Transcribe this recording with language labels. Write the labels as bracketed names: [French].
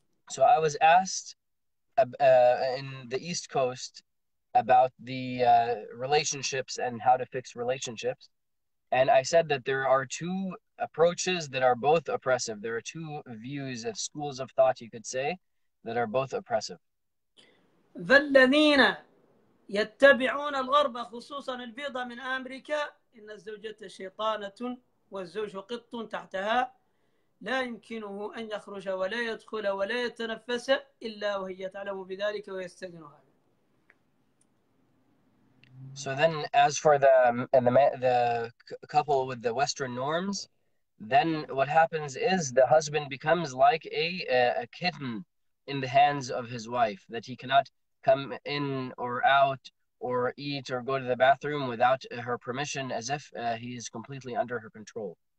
[English] So I was asked in the East Coast about the relationships and how to fix relationships. And I said that there are two approaches that are both oppressive. There are two views of schools of thought, you could say, that are both oppressive. [Arabic] فالذين يتبعون الغرب خصوصا البيضة من أمريكا إن الزوجة شيطانة والزوج قط تحتها لا يمكنه أن يخرج ولا يدخل ولا يتنفس إلا وهي تعلم بذلك ويستأذنها. [English] So then, as for the couple with the Western norms, then what happens is the husband becomes like a kitten in the hands of his wife, that he cannot come in or out or eat or go to the bathroom without her permission, as if he is completely under her control.